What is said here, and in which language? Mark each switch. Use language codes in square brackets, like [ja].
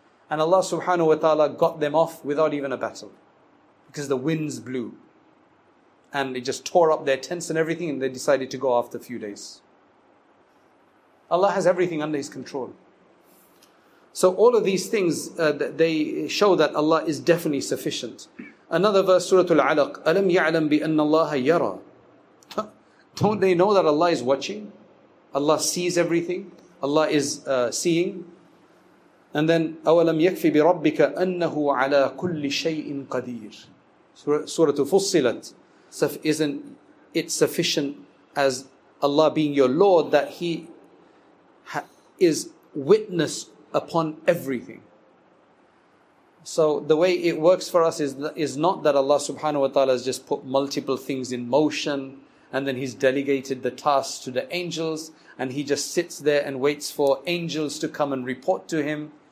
[en] And Allah subhanahu wa ta'ala got them off without even a battle, because the winds blew and it just tore up their tents and everything, and they decided to go after a few days. Allah has everything under His control. So all of these things, they show that Allah is definitely sufficient. Another verse, [ar] Surah Al-Alaq, أَلَمْ يَعْلَمْ بِأَنَّ اللَّهَ يَرَى? [en] Don't they know that Allah is watching? Allah sees everything. Allah is seeing. And then, [ar] أَوَلَمْ يَكْفِ بِرَبِّكَ أَنَّهُ عَلَى كُلِّ شَيْءٍ قَدِيرٍ? [en] Surah Fussilat, isn't it sufficient as Allah being your Lord that He is witness upon everything? So the way it works for us is not that Allah subhanahu wa ta'ala has just put multiple things in motion and then He's delegated the tasks to the angels and He just sits there and waits for angels to come and report to Him.